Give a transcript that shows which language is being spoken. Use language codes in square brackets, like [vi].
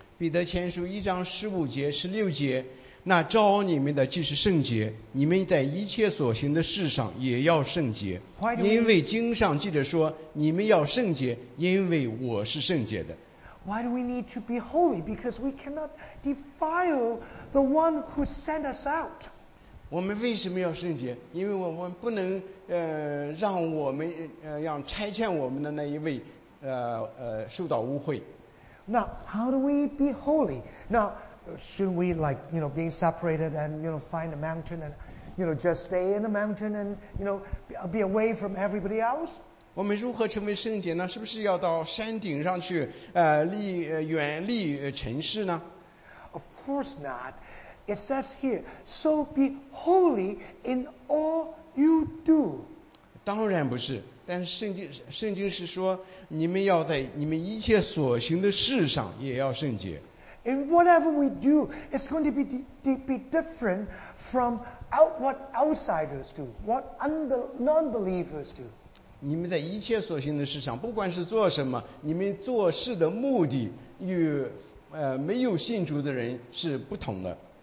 [zh] 彼得前书一章十五节、十六节，那召你们的既是圣洁，你们在一切所行的事上也要圣洁，因为经上记着说，你们要圣洁，因为我是圣洁的。 [en] Why do we need to be holy? Because we cannot defile the one who sent us out. [zh] 我们为什么要圣洁？因为我们不能让我们让差遣我们的那一位受到污秽。 [en] Now, how do we be holy? Now. Shouldn't we like, you know, being separated and, you know, find a mountain and, you know, just stay in the mountain and, you know, be away from everybody else? [zh] 我们如何成为圣洁呢？是不是要到山顶上去远离尘世呢？ [en] Of course not. It says here, so be holy in all you do. [zh] 当然不是，但是圣经是说，你们要在你们一切所行的事上也要圣洁。 [en] In whatever we do, it's going to be different from what outsiders do, what non-believers do. [zh] 你们在一切所行的事上，不管是做什么，你们做事的目的与没有信主的人是不同的。